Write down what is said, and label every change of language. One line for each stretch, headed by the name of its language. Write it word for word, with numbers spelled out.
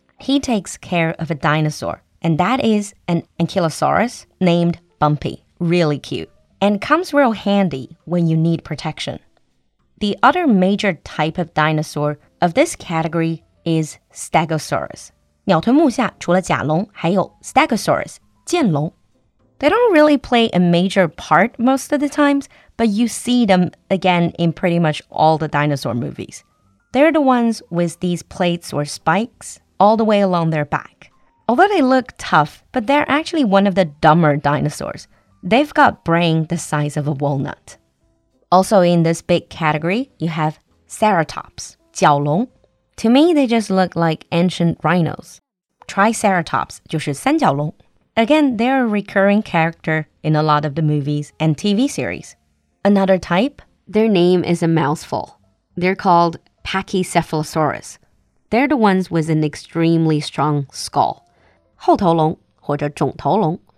English: He takes care of a dinosaur, and that is an ankylosaurus named Bumpy. Really cute. And comes real handy when you need protection. The other major type of dinosaur of this category is Stegosaurus.
Chinese: 鸟臀目下除了甲龙还有 Stegosaurus, 剑龙。
English: They don't really play a major part most of the times, but you see them again in pretty much all the dinosaur movies. They're the ones with these plates or spikes all the way along their back. Although they look tough, but they're actually one of the dumber dinosaurs. They've got brain the size of a walnut. Also in this big category, you have ceratops, 角龙. To me, they just look like ancient rhinos.
Chinese: Triceratops 就是三角龙.
English: Again, they're a recurring character in a lot of the movies and T V series. Another type? Their name is a mouthful. They're called Pachycephalosaurus. They're the ones with an extremely strong skull.
Chinese: 后头龙或者肿头龙.